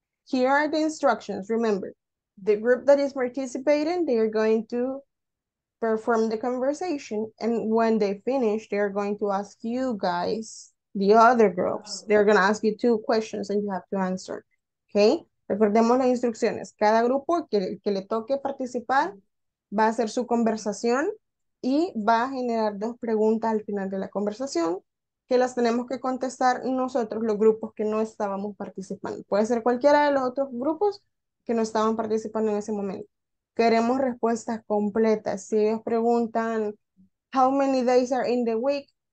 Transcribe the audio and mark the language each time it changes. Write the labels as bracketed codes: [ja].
[en] Here are the instructions. Remember, the group that is participating, they are going to perform the conversation. And when they finish, they are going to ask you guys, the other groups, they're going to ask you two questions and you have to answer. [es] Okay? Recordemos las instrucciones. Cada grupo que le toque participar va a hacer su conversación. Y va a generar dos preguntas al final de la conversación que las tenemos que contestar nosotros, los grupos que no estábamos participando. Puede ser cualquiera de los otros grupos que no estaban participando en ese momento. Queremos respuestas completas. Si ellos preguntan, [en] how many days are in the week?